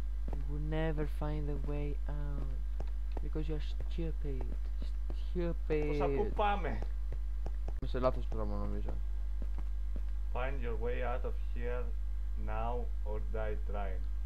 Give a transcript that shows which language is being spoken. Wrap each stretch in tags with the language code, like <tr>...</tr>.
<en>We'll never find the way out. Because you're stupid. Stupid.</en> <el>Πώς ακού πάμε? Είμαι σε λάθος πράγμα, νομίζω.</el> <en>Find your way out of here now or die trying.</en>